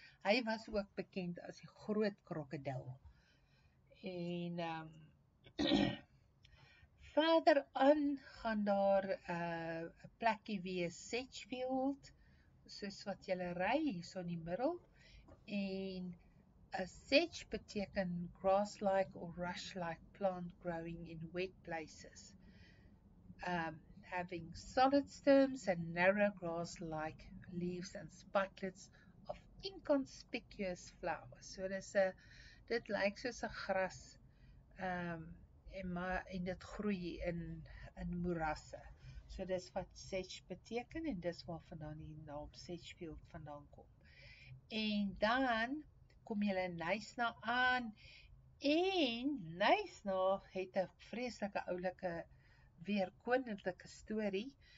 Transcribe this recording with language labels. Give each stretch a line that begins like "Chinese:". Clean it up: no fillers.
Afrikaans: Hy was ook bekend as die groot krokodil. En verder aan gaan daar 'n plekkie wees, Sedgefield, soos wat jy ry hierso in die middel. En 'n sedge beteken
English: grass-like or rush-like plant growing in wet places, having solid stems and narrow grass-like leaves and spikelets of inconspicuous flowers.
Afrikaans: So dit lyk soos 'n gras, en dit groei in moerasse. So dis wat sedge beteken, en dis waar vandaan die naam Sedgefield vandaan kom. En dan kom jy in Knysna aan, en Knysna het 'n vreeslike oulike weerkoninklike storie.